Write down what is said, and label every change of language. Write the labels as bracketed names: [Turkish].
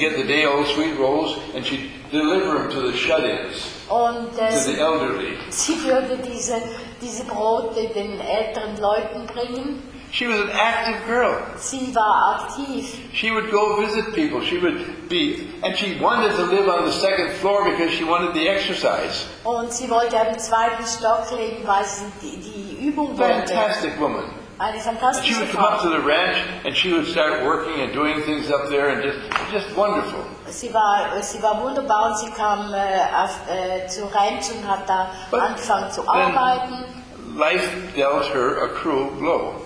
[English] And get the day-old sweet rolls, and she'd deliver them to the shut-ins, to the elderly. [German] Sie würde diese Brote den älteren Leuten bringen. [English] She was an active girl. [German] Sie war aktiv. [English] She would go visit people. She would be, and she wanted to live on the second floor because she wanted the exercise. [German] Und sie wollte am zweiten Stock leben, weil sie die Übung wollte. [English] Fantastic woman. [German] Eine fantastische Frau. [English] She would come up to the ranch and she would start working and doing things up there and just wonderful. [German] Sie war wunderbar und sie kam zur Ranch und hat da [English] but [German] angefangen zu arbeiten. [English] Life dealt her a cruel blow.